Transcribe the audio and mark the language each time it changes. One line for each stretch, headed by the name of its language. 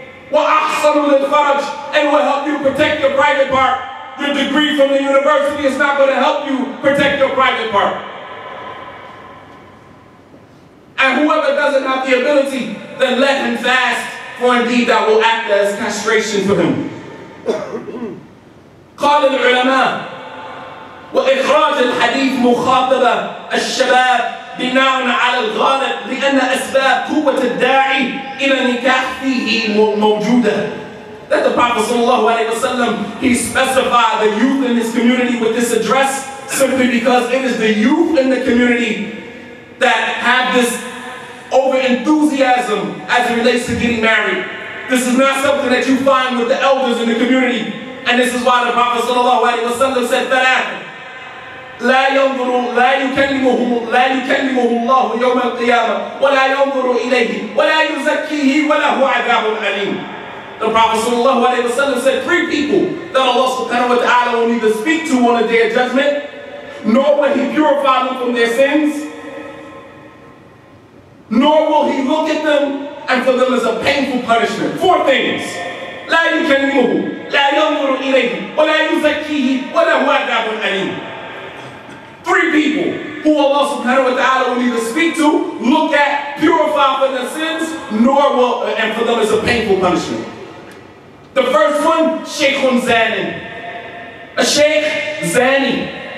Arabic: وَأَحْصَنُ لِلْفَرَجِ,
English: and will help you protect your private part. Your degree from the university is not going to help you protect your private part. And whoever doesn't have the ability, then let him fast, for indeed that will act as castration for him.
Arabic: قال العلماء وإخراج الحديث مخاطبة الشباب بناء على الغالب لأن أسباب قوة الداعي إلى نكاح فيه موجودة.
English: That the Prophet sallallahu alaihi wasallam, he specified the youth in his community with this address simply because it is the youth in the community that have this over enthusiasm as it relates to getting married. This is not something that you find with the elders in the community, and this is why the Prophet sallallahu alaihi wasallam said that.
Arabic: لا ينظر لا يكلمه لا يكلمه الله يوم القيامة ولا ينظر إليه ولا يزكيه وله عذاب أليم.
English: The Prophet sallallahu alayhi wa sallam said three people that Allah subhanahu wa ta'ala will neither speak to on the day of judgment, nor will He purify them from their sins, nor will He look at them, and for them is a painful punishment. Four things.
Arabic: لا يكلمه لا ينظر إليه ولا يزكيه ولا هو عذاب أليم.
English: Three people who Allah subhanahu wa ta'ala will neither speak to, look at, purify for their sins, nor will, and for them is a painful punishment. The first one, Shaykhun Zani. A Shaykh Zani.